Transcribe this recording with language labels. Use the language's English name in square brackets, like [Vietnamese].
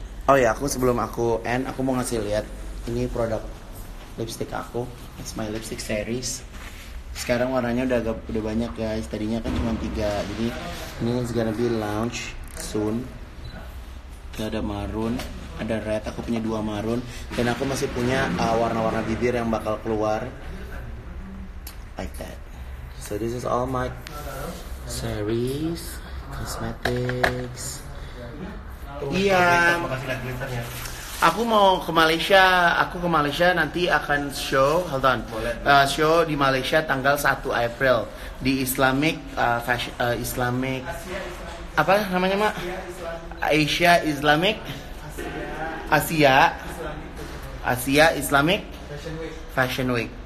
[Indonesian] Oh ya aku sebelum aku end aku mau ngasih lihat ini produk lipstick aku, [English] it's my lipstick series. [Indonesian] Sekarang warnanya udah banyak guys. Tadinya kan cuma 3. Jadi ini [English] is gonna be launch soon. [Indonesian] Ada maroon, ada red. Aku punya 2 maroon dan aku masih punya warna-warna bibir yang bakal keluar. [English] Like that. So this is all my series cosmetics. [Indonesian] Iya. Makasih lah glitternya. Aku mau ke Malaysia, nanti akan show, [English] hold on, [Indonesian] show di Malaysia tanggal 1 April di Islamic fashion, Islamic apa namanya mak? Asia Islamic, Asia Islamic Fashion Week.